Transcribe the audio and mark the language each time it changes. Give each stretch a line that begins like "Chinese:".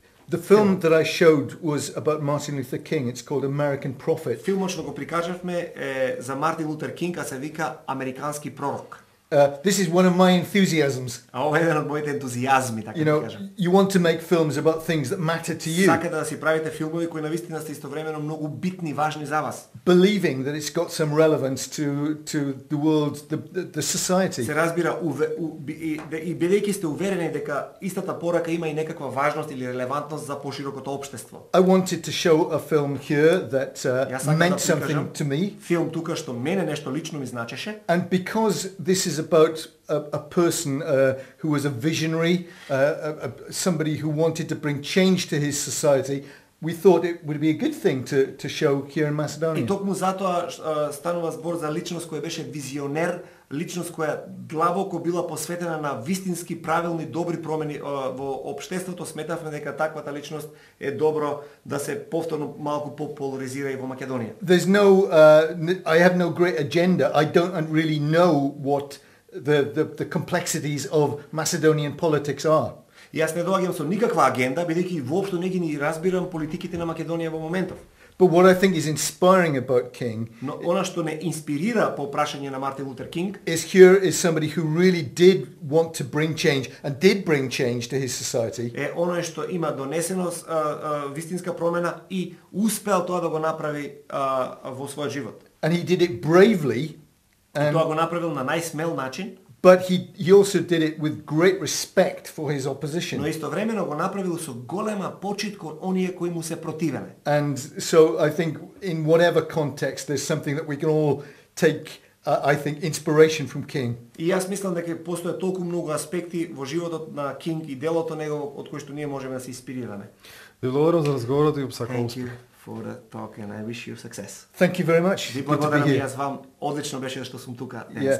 English: The film that I showed was about Martin Luther King. It's called American Prophet.
Macedonian: Филмот што го прикажавме е за Мартин Лутер Кинг, а се вика Американски пророк.
English: This is one of my enthusiasms.
Macedonian: Ова е еден од моите ентузијазми, така да кажам.
English: You want to make films about things that matter to you.
Macedonian: Сакате да си правите филмови кои навистина се истовремено многу битни, важни за вас.
English: Believing that it's got some relevance to the world, the society.
Macedonian: Се разбира и бидејќи сте уверени дека истата порака има и некаква важност или релевантност за поширокото општество.
English: I wanted to show a film here that meant something to me.
Macedonian: Филм тука што мене нешто лично ми значеше.
English: And because this is about a person who was a visionary, somebody who wanted to bring change to his society, we thought it would be a good thing to show here in Macedonia.
Macedonian: И токму затоа станува збор за личност која беше визионер, личност која длабоко била посветена на вистински правилни добри промени во општеството. Сметавме дека таквата личност е добро да се повторно малку популаризира и во Македонија.
English: There's no I have no great agenda. I don't really know what the complexities of Macedonian politics are.
Macedonian: Јас не доаѓам со никаква агенда, бидејќи воопшто не ги ни разбирам политиките на Македонија во моментов.
English: But what I think is inspiring about King,
Macedonian: но она што не инспирира по прашање на Мартин Лутер Кинг,
English: is here is somebody who really did want to bring change and did bring change to his society.
Macedonian: Е она што има донесено вистинска промена и успеал тоа да го направи во својот живот.
English: And he did it bravely.
Macedonian: И тоа го направил на најсмел начин.
English: But he also did it with great respect for his opposition.
Macedonian: Но истовремено го направил со голема почит кон оние кои му се противеле.
English: And so I think in whatever context there's something that we can all take I think inspiration from King.
Macedonian: И јас мислам дека постои толку многу аспекти во животот на King и делото негово од кои што ние можеме да се инспирираме. Ви благодарам за разговорот и сакам успех.
English: Thank you for the talk and I wish you success. Thank you very much.
Macedonian: Ви благодарам, јас вам одлично беше што сум тука денес.